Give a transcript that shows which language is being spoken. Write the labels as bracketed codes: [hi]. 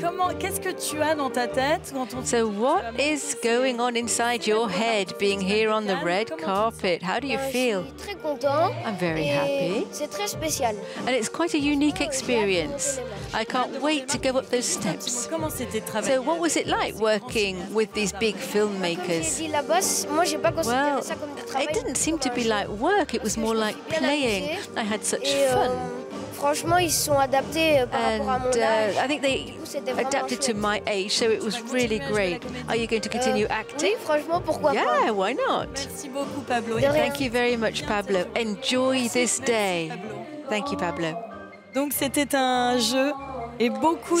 [fr] Comment qu'est-ce que tu as dans ta tête quand on [en] So what is going on inside your head being here on the red carpet? How do you feel? [fr] Je suis très content. [en] I'm very happy. [fr] C'est très spécial. [en] And it's quite a unique experience. I can't wait to go up those steps. [fr] Comment c'était de travailler? [en] So what was it like working with these big filmmakers? [fr] Moi j'ai pas considéré ça comme du travail. [en] It didn't seem to be like work. It was more like playing. I had such fun. [fr] Franchement, ils sont adaptés par rapport à mon âge. [en] I think they adapted to my age, so it was really great. Are you going to continue acting? [fr] Oui, franchement, pourquoi pas? [en] Yeah, why not? [fr] Merci beaucoup, Pablo. [en] Thank you very much, Pablo. Enjoy this day. Thank you, Pablo. [fr] Donc c'était un jeu et beaucoup